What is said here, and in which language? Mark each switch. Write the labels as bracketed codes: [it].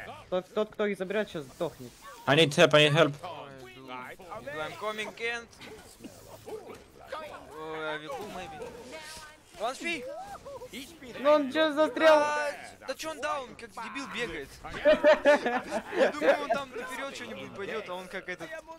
[ru] Тот, кто их забирает, сейчас сдохнет. [en] I need help, I need help. I'm coming, Kent. Oh, I will pull, maybe. One speed. [ru] Ну он чё застрял? Да чё он даун, как дебил бегает. Я думаю, он там наперёд что-нибудь пойдёт, а он как этот...